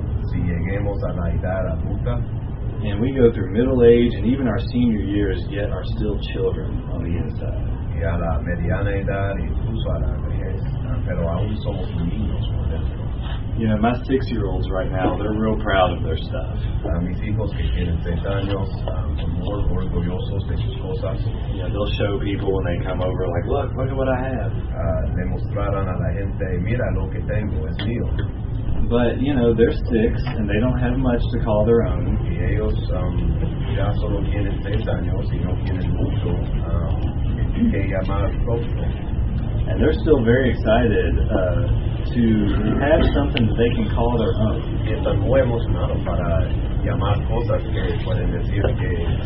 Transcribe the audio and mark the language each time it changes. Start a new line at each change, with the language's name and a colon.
Spanish: Si lleguemos a la edad adulta,
English: and we go through middle age and even our senior years, yet are still children on the inside.
Spanish: Y a la mediana edad, incluso a la vejez, pero aún somos niños por dentro.
English: You know, my six-year-olds right now, they're real proud of their stuff.
Spanish: Mis hijos que tienen seis años, son muy orgullosos de sus cosas.
English: You know, they'll show people when they come over, like, look at what I have.
Spanish: Le mostrarán a la gente, mira lo que tengo, es mío.
English: But, you know, they're six, and they don't have much to call their own.
Spanish: Y ellos ya solo tienen seis años, y no tienen mucho que llamar propio.
English: And they're still very excited to have something that they can call their own.
Spanish: Y están muy emocionados para llamar cosas que pueden decir que